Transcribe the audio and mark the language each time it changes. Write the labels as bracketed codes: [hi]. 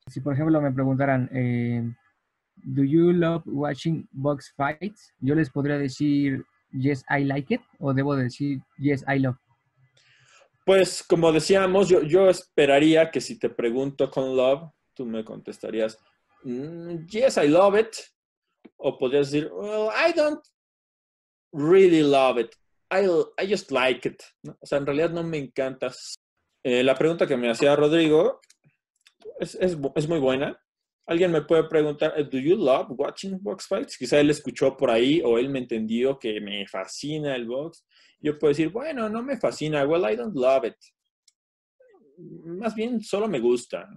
[es] Si, por ejemplo, me preguntaran, [en] do you love watching box fights? [es] Yo les podría decir, [en] yes, I like it, [es] o debo decir, [en] yes, I love. [es] Pues, como decíamos, yo esperaría que si te pregunto con love, tú me contestarías, [en] yes, I love it. [es] O podrías decir, [en] well, I don't really love it. I just like it. [es] ¿No? O sea, en realidad no me encanta. La pregunta que me hacía Rodrigo es muy buena. Alguien me puede preguntar, [en] do you love watching box fights? [es] Quizá él escuchó por ahí o él me entendió que me fascina el box. Yo puedo decir, bueno, no me fascina. [en] Well, I don't love it. [es] Más bien, solo me gusta.